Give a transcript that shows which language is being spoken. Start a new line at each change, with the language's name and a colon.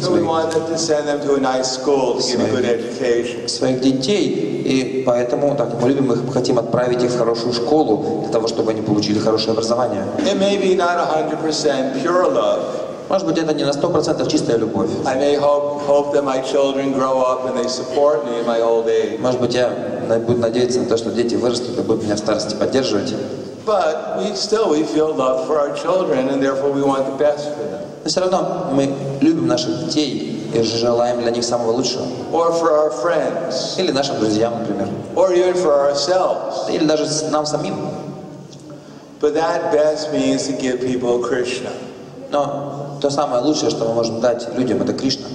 English: So we wanted to send them to a nice school to get a good education.
Russian: Своих детей, и поэтому так мы любим их, хотим отправить их в хорошую школу для того, чтобы они получили хорошее образование.
English: It may be not 100% pure love.
Russian: Может быть, это не на 100% чистая любовь.
English: I may hope that my children grow up and they support me in my old age.
Russian: Может быть, я буду надеяться на то, что дети вырастут и будут меня в старости поддерживать.
English: But we feel love for our children, and therefore we want the best for them.
Russian: Но все равно мы любим наших детей и желаем для них самого лучшего.
English: Or for our friends.
Russian: Или нашим друзьям, например.
English: Or even for ourselves.
Russian: Или даже нам самим.
English: But that best means to give people Krishna.
Russian: Но то самое лучшее, что мы можем дать людям, это Кришна.